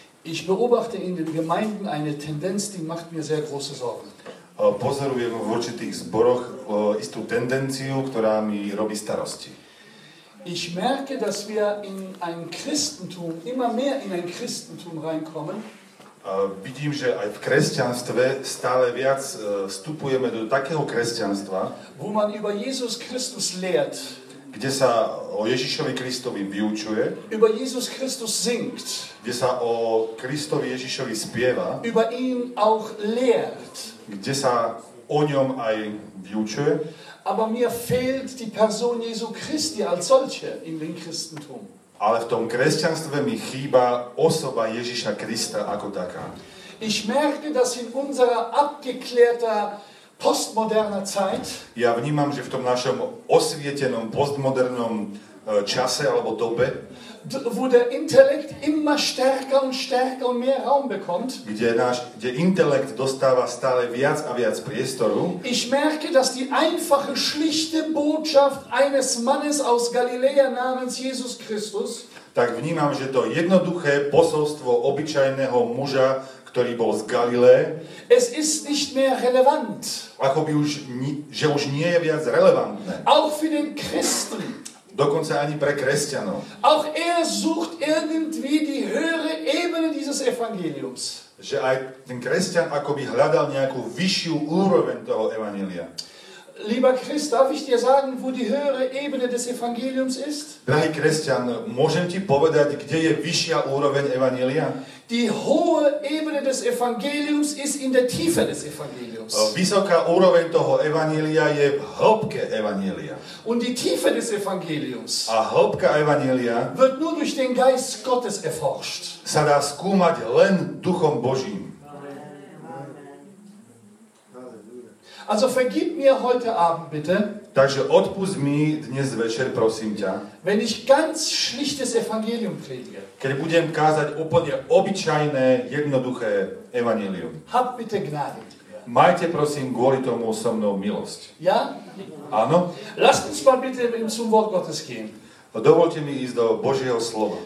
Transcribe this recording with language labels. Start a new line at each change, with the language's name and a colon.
German: Ich beobachte in den Gemeinden eine Tendenz, die macht mir sehr große Sorgen.
Slovak: Pozorujem v určitých zboroch istú tendenciu, ktorá mi robí starosti.
German: Ich merke, dass wir in ein Christentum immer mehr in ein Christentum reinkommen.
Slovak: Vidím, že aj v kresťanstve stále viac vstupujeme do takého kresťanstva,
German: wo man über Jesus Christus lehrt,
Slovak: kde sa o Ježišovi Kristovi vyučuje,
German: über Jesus Christus singt,
Slovak: kde sa o Kristovi Ježišovi spieva,
German: über ihn auch lehrt,
Slovak: kde sa o ňom aj vyučuje,
German: aber mir fehlt die Person Jesu Christi als solche in dem Christentum.
Slovak: Ale v tom kresťanstve mi chýba osoba Ježiša Krista ako taká.
German: Ich merke, dass in unserer abgeklärter postmoderner Zeit,
Slovak: ja vnímam, že v tom našom osvietenom postmodernom čase alebo dobe,
German: wo der Intellekt immer stärker und stärker und mehr Raum bekommt,
Slovak: kde intelekt dostáva stále viac a viac priestoru,
German: ich merke, dass die einfache, schlichte Botschaft eines Mannes aus Galiläa namens Jesus Christus,
Slovak: tak vnímam, že to jednoduché posolstvo obyčajného muža, ktorý bol z Galilé,
German: es ist nicht mehr relevant,
Slovak: akoby už, že už nie je viac relevantné,
German: auch für den Christen,
Slovak: dokonca ani pre kresťanov.
German: Auch er sucht irgendwie die höhere Ebene dieses Evangeliums.
Slovak: Že aj ten kresťan akoby hľadal nejakú vyššiu úroveň toho evanjelia.
German: Lieber Christ, darf ich dir sagen, wo die höhere Ebene des Evangeliums ist?
Slovak: Drahý kresťan, môžem ti povedať, kde je vyššia úroveň evanjelia?
German: Die hohe Ebene des Evangeliums ist in der Tiefe des Evangeliums.
Slovak: Vysoká úroveň toho evanjelia je v hĺbke evanjelia.
German: Und die Tiefe des Evangeliums.
Slovak: A hĺbka evanjelia
German: wird nur durch den Geist Gottes erforscht.
Slovak: Sa dá skúmať len Duchom Božím.
German: Also vergib mir heute Abend bitte.
Slovak: Takže odpusť mi dnes večer, prosím ťa.
German: Wenn ich ganz schlichtes Evangelium predige.
Slovak: Keď budem kázať úplne obyčajné, jednoduché evangelium.
German: Hab bitte Gnade.
Slovak: Majte prosím kvôli tomu so mnou milosť.
German: Ja?
Slovak: Áno.
German: Lasst uns mal bitte zum Wort Gottes gehen.
Slovak: Dovolte mi ísť do Božieho slova.